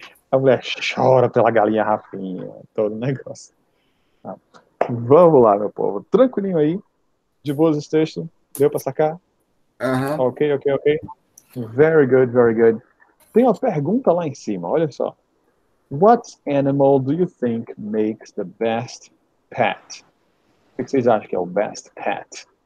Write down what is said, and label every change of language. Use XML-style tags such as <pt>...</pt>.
<pt>A mulher chora pela galinha Rafinha, todo o negócio. Tá. Vamos lá, meu povo. Tranquilinho aí. De boas os textos. Deu pra sacar? Uh-huh.</pt> <en>Ok. Very good, very good.</en> <pt>Tem uma pergunta lá em cima, olha só.</pt> <en>What animal do you think makes the best pet?</en> <pt>O que vocês acham que é o best pet?</pt>